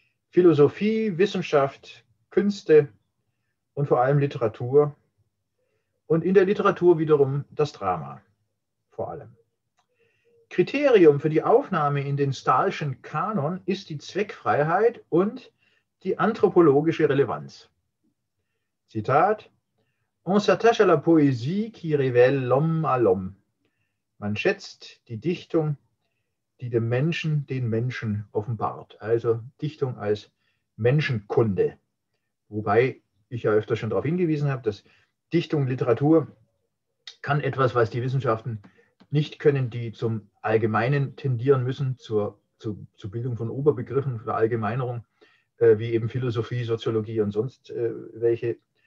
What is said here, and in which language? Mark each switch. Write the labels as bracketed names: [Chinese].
[German] Philosophie, Wissenschaft, Künste und vor allem Literatur. Und in der Literatur wiederum das Drama, vor allem. Kriterium für die Aufnahme in den Stahlschen Kanon ist die Zweckfreiheit und die anthropologische Relevanz. Zitat: [French] On s'attache à la poésie qui révèle l'homme à l'homme. [German] Man schätzt die Dichtung, die dem Menschen den Menschen offenbart. Also Dichtung als Menschenkunde. Wobei ich ja öfter schon darauf hingewiesen habe, dass Dichtung, Literatur kann etwas, was die Wissenschaften nicht können, die zum Allgemeinen tendieren müssen, zur Bildung von Oberbegriffen, Verallgemeinerung, wie eben Philosophie, Soziologie und sonst welche.